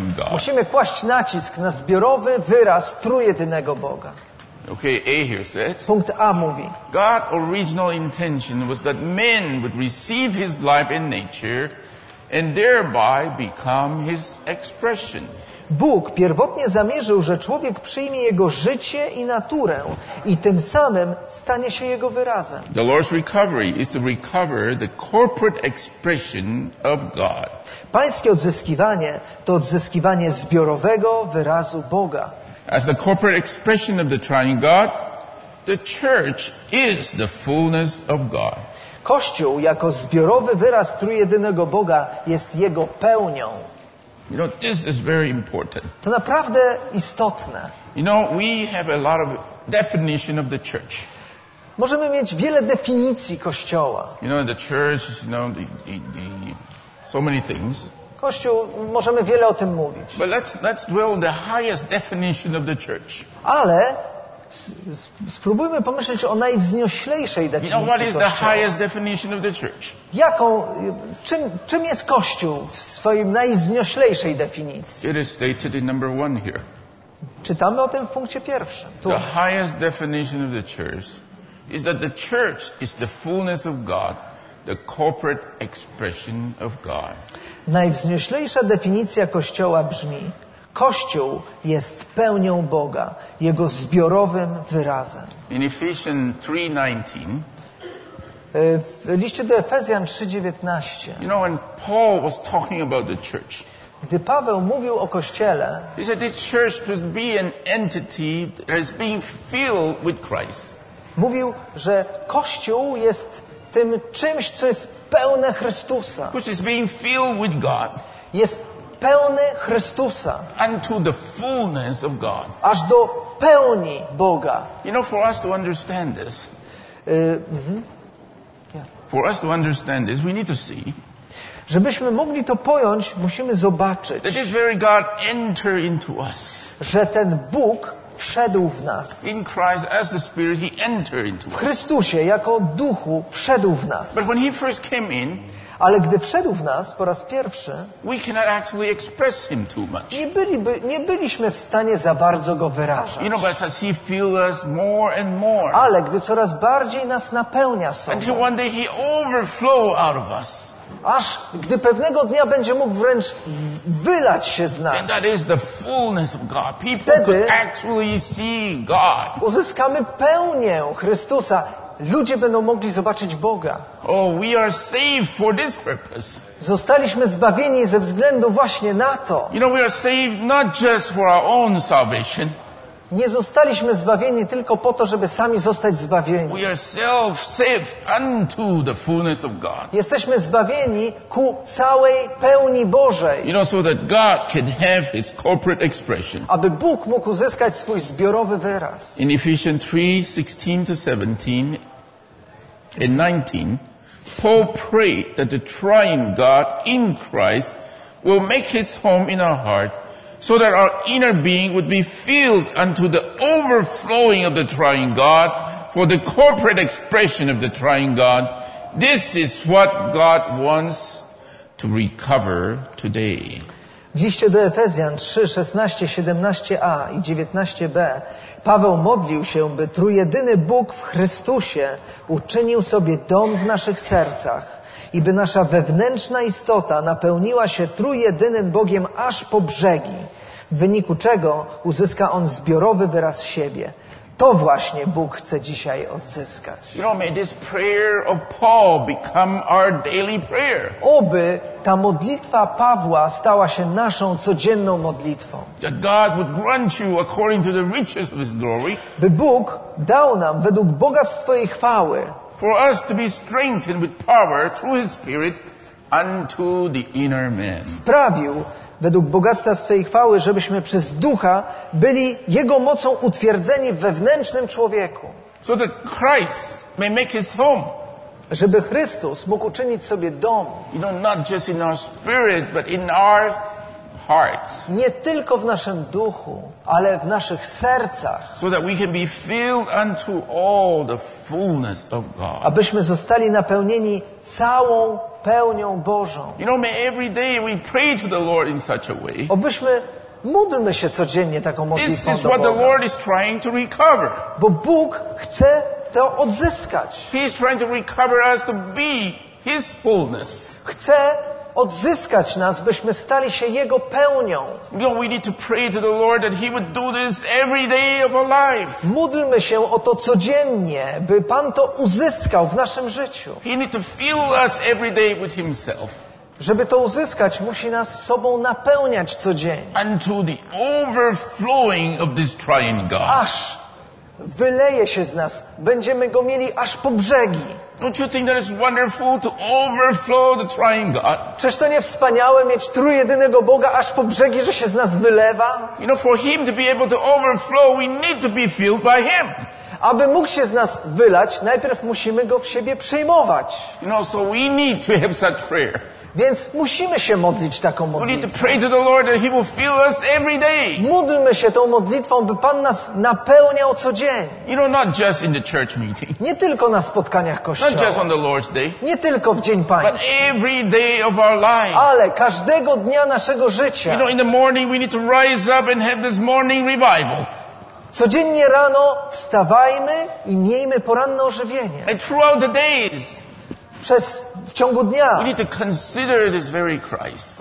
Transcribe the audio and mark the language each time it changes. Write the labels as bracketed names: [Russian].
[Polish] Musimy kłaść nacisk na zbiorowy wyraz trójjedynego Boga. [English] Okay, A here says. [Polish] Punkt A mówi. [English] God's original intention was that man would receive his life and nature and thereby become his expression. [Polish] Bóg pierwotnie zamierzył, że człowiek przyjmie jego życie i naturę i tym samym stanie się jego wyrazem. [English] The Lord's recovery is to recover the corporate expression of God. [Polish] Pańskie odzyskiwanie to odzyskiwanie zbiorowego wyrazu Boga. [English] As the corporate expression of the triune God, the church is the fullness of God. [Polish] Kościół jako zbiorowy wyraz trójjedynego Boga jest jego pełnią. [English] You know, this is very important. [Polish] To naprawdę istotne. [English] You know, we have a lot of definition of the church. [Polish] Możemy mieć wiele definicji kościoła. [English] You know, the church, you know, the so many things. [Polish] Kościół, możemy wiele o tym mówić. [English] But let's dwell on the highest definition of the church. [Polish] Ale spróbujmy pomyśleć o najwznioślejszej definicji Kościoła. [English] What is the highest definition of the church? [Polish] Jaką, czym jest Kościół w swojej najwznioślejszej definicji? [English] It is stated in number one here. [Polish] Czytamy o tym w punkcie pierwszym. Tu. [English] The highest definition of the church is that the church is the fullness of God, the corporate expression of God. [Polish] Najwznioślejsza definicja Kościoła brzmi: Kościół jest pełnią Boga, jego zbiorowym wyrazem. [English] In Ephesians 3:19. [Polish] W liście do Efezjan 3:19. [English] You know, when Paul was talking about the church. [Polish] Gdy Paweł mówił o kościele. [English] He said this church should be an entity that is being filled with Christ. [Polish] Mówił, że kościół jest tym czymś, co jest pełne Chrystusa. [English] Which is being filled with God. [Polish] Jest pełny Chrystusa. [English] Unto the fullness of God. [Polish] Aż do pełni Boga. [English] You know, for us to understand this. For us to understand this, we need to see. [Polish] Żebyśmy mogli to pojąć, musimy zobaczyć. [English] That this very God enter into us. [Polish] Że ten Bóg wszedł w nas. [English] In Christ as the Spirit, he entered into us. [Polish] W Chrystusie jako Duchu wszedł w nas. [English] But when he first came in. [Polish] Ale gdy wszedł w nas po raz pierwszy, [English] we cannot actually express him too much. [Polish] Nie byliśmy w stanie za bardzo go wyrażać. [English] You know, but as he filled us more and more. [Polish] Ale gdy coraz bardziej nas napełnia sobą. [English] Until one day he overflow out of us. [Polish] Aż gdy pewnego dnia będzie mógł wręcz wylać się z nas. [English] And that is the fullness of God. People [Polish] wtedy [English] could actually see God. [Polish] Uzyskamy pełnię Chrystusa. Ludzie będą mogli zobaczyć Boga. [English] Oh, we are saved for this purpose. [Polish] Zostaliśmy zbawieni ze względu właśnie na to. [English] You know, we are saved not just for our own salvation. [Polish] Nie zostaliśmy zbawieni tylko po to, żeby sami zostać zbawieni. [English] We are self-saved unto the fullness of God. [Polish] Jesteśmy zbawieni ku całej pełni Bożej. [English] You know, so that God can have his corporate expression. [Polish] Aby Bóg mógł uzyskać swój zbiorowy wyraz. [English] In Ephesians 3:16-17 and 19, Paul prayed that the triune God in Christ will make his home in our heart. So that our inner being would be filled unto the overflowing of the triune God for the corporate expression of the triune God. This is what God wants to recover today. [Polish] W liście do Efezjan 3:16, 17a i 19b Paweł modlił się, by trójjedyny Bóg w Chrystusie uczynił sobie dom w naszych sercach. I by nasza wewnętrzna istota napełniła się trójjedynym Bogiem aż po brzegi, w wyniku czego uzyska on zbiorowy wyraz siebie. To właśnie Bóg chce dzisiaj odzyskać. [English] You know, may this prayer of Paul become our daily prayer. [Polish] Oby ta modlitwa Pawła stała się naszą codzienną modlitwą. [English] That God would grant you according to the riches of his glory. [Polish] By Bóg dał nam według bogactw swojej chwały. [English] For us to be strengthened with power through his spirit unto the inner man. [Polish] Sprawił według bogactwa swej chwały, żebyśmy przez ducha byli jego mocą utwierdzeni w wewnętrznym człowieku. [English] So that Christ may make his home. [Polish] Żeby Chrystus mógł uczynić sobie dom. [English] You know, not just in our spirit, but in our hearts. [Polish] Nie tylko w naszym duchu, ale w naszych sercach. [English] So that we can be filled unto all the fullness of God. [Polish] Abyśmy zostali napełnieni całą pełnią Bożą. [English] You know, may every day we pray to the Lord in such a way. [Polish] Obyśmy módlmy się codziennie taką modlitwą do Boga. [English] This is what the Lord is trying to recover. [Polish] Bo Bóg chce to odzyskać. [English] He is trying to recover us to be His fullness. [Polish] Chce odzyskać nas, byśmy stali się Jego pełnią. [English] You know, we need to pray to the Lord that He would do this every day of our life. [Polish] Módlmy się o to codziennie, by Pan to uzyskał w naszym życiu. [English] He need to fill us every day with Himself. [Polish] Żeby to uzyskać, musi nas sobą napełniać codziennie. [English] Unto the overflowing of this triune God. [Polish] Aż wyleje się z nas, będziemy go mieli aż po brzegi. [English] Don't you think that is wonderful to overflow the triune God? [Polish] Czyż to nie wspaniałe mieć trójjedynego Boga aż po brzegi, że się z nas wylewa? [English] You know, for Him to be able to overflow, we need to be filled by Him. [Polish] Aby mógł się z nas wylać, najpierw musimy go w siebie przyjmować. [English] You know, so we need to have such prayer. [Polish] Więc musimy się modlić taką modlitwą. [English] We need to pray to the Lord that He will fill us every day. [Polish] Módlmy się tą modlitwą, by Pan nas napełniał co dzień. [English] You know, not just in the church meeting. [Polish] Nie tylko na spotkaniach kościoła. [English] Not just on the Lord's day. [Polish] Nie tylko w dzień Pański. [English] But every day of our life. [Polish] Ale każdego dnia naszego życia. [English] You know, in the morning we need to rise up and have this morning revival. [Polish] Codziennie rano wstawajmy i miejmy poranne ożywienie. [English] And throughout the days. [Polish] W ciągu dnia. [English] We need to consider this very Christ.